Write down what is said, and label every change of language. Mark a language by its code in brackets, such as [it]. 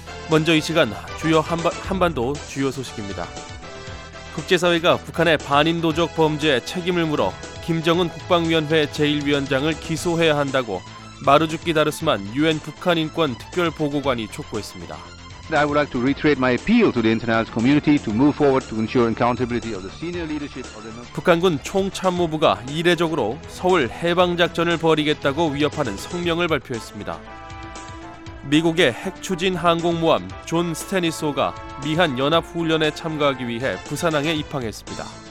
[ko] 먼저 이 시간 주요 한반도 주요 소식입니다. 국제사회가 북한의 반인도적 범죄에 책임을 물어 김정은 국방위원회 제1위원장을 기소해야 한다고 마르주키 다르스만 유엔 북한인권특별보고관이 촉구했습니다. [en] I would like to reiterate my appeal to the international community to move forward to ensure accountability of the senior leadership of the [ko] 북한군 총참모부가 이례적으로 서울 해방작전을 벌이겠다고 위협하는 성명을 발표했습니다. 미국의 핵추진 항공모함 존 스테니소가 미한 연합훈련에 참가하기 위해 부산항에 입항했습니다.